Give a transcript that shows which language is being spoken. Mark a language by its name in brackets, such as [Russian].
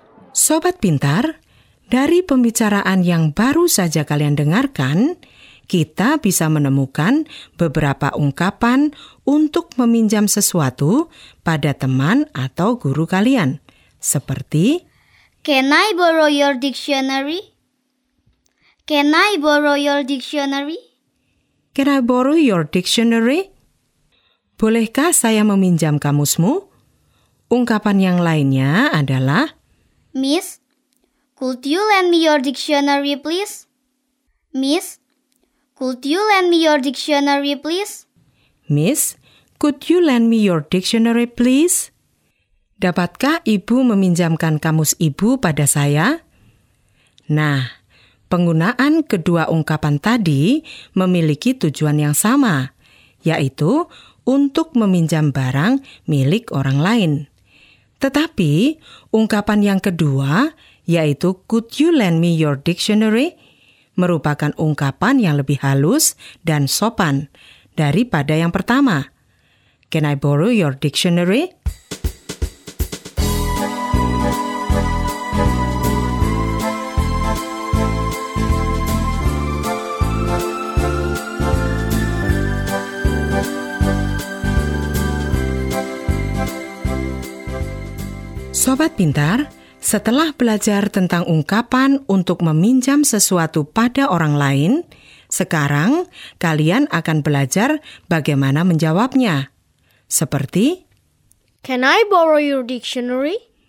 [Indonesian] Sobat pintar, dari pembicaraan yang baru saja kalian dengarkan, kita bisa menemukan beberapa ungkapan untuk meminjam sesuatu pada teman atau guru kalian. Seperti, [English] can I borrow your dictionary? Can I borrow your dictionary? Can I borrow your dictionary? [Indonesian] Bolehkah saya meminjam kamusmu? Ungkapan yang lainnya adalah, [English] miss, could you lend me your dictionary, please? Miss, could you lend me your dictionary, please? Miss, could you lend me your dictionary, please? [Indonesian] Dapatkah ibu meminjamkan kamus ibu pada saya? Nah, penggunaan kedua ungkapan tadi memiliki tujuan yang sama, yaitu untuk meminjam barang milik orang lain. Tetapi, ungkapan yang kedua, yaitu [English] could you lend me your dictionary, [Indonesian] merupakan ungkapan yang lebih halus dan sopan daripada yang pertama. [English] Can I borrow your dictionary? [Indonesian] Sobat pintar, setelah belajar tentang ungkapan untuk meminjam sesuatu pada orang lain, sekarang kalian akan belajar bagaimana menjawabnya. Seperti, [English] can I borrow your dictionary?